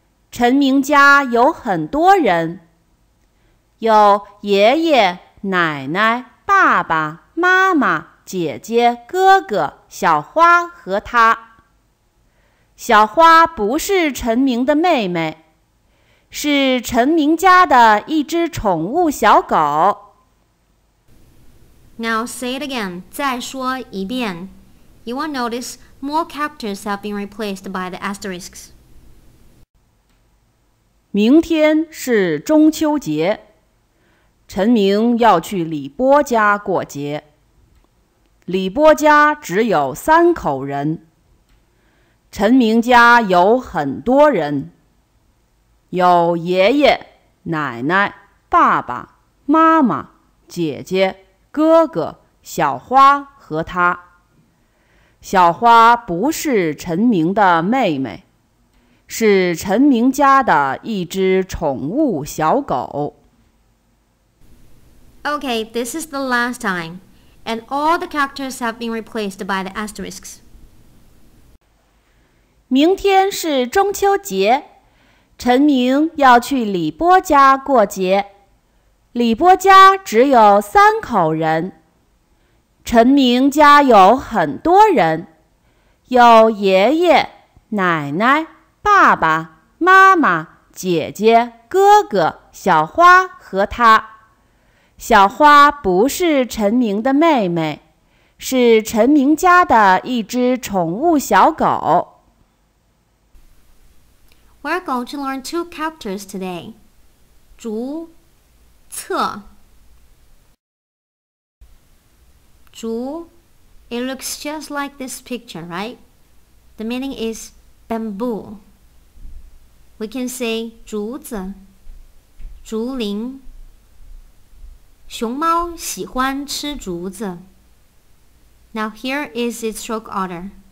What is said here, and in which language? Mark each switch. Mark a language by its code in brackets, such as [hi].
[zh] 陈明家有很多人，有爷爷、奶奶、爸爸、妈妈、姐姐、哥哥、小花和他。小花不是陈明的妹妹，是陈明家的一只宠物小狗。 [en] Now say it again, [zh] 再说一遍。 [en] You will notice more characters have been replaced by the asterisks. [zh] 明天是中秋节，陈明要去李波家过节。李波家只有三口人，陈明家有很多人，有爷爷、奶奶、爸爸、妈妈、姐姐、哥哥、小花和他。小花不是陈明的妹妹，是陈明家的一只宠物小狗。 [en] Okay, this is the last time, and all the characters have been replaced by the asterisks. [zh] 明天是中秋节，陈明要去李波家过节。李波家只有三口人，陈明家有很多人，有爷爷、奶奶、爸爸、妈妈、姐姐、哥哥、小花和他。小花不是陈明的妹妹，是陈明家的一只宠物小狗。 [en] We're going to learn two characters today. [zh] 竹侧竹 [en] It looks just like this picture, right? The meaning is bamboo. We can say [zh] 竹子竹林熊猫喜欢吃竹子 [en] Now here is its stroke order.